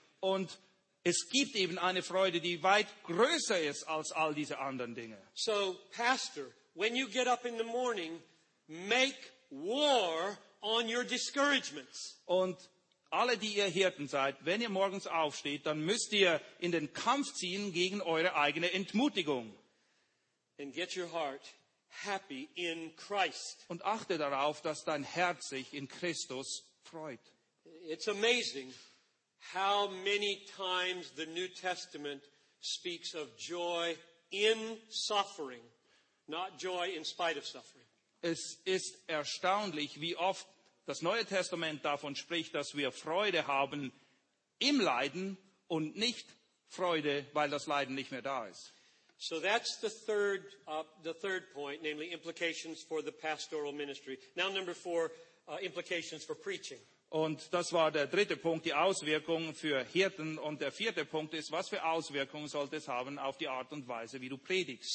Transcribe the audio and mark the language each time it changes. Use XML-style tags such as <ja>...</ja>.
<de>Und es gibt eben eine Freude, die weit größer ist als all diese anderen Dinge.</de> <en>So, Pastor, when you get up in the morning, make war on your discouragements.</en> <de>Und alle, die ihr Hirten seid, wenn ihr morgens aufsteht, dann müsst ihr in den Kampf ziehen gegen eure eigene Entmutigung.</de> <en>And get your heart happy in Christ.</en> <de>Und achte darauf, dass dein Herz sich in Christus freut.</de> <en>It's amazing how many times the New Testament speaks of joy in suffering, not joy in spite of suffering.</en> <de>Es ist erstaunlich, wie oft das Neue Testament davon spricht, dass wir Freude haben im Leiden und nicht Freude, weil das Leiden nicht mehr da ist.</de> <en>So that's the third point, namely implications for the pastoral ministry. Now number four, implications for preaching.</en> <de>Und das war der dritte Punkt, die Auswirkungen für Hirten. Und der vierte Punkt ist, was für Auswirkungen sollte es haben auf die Art und Weise, wie du predigst.</de>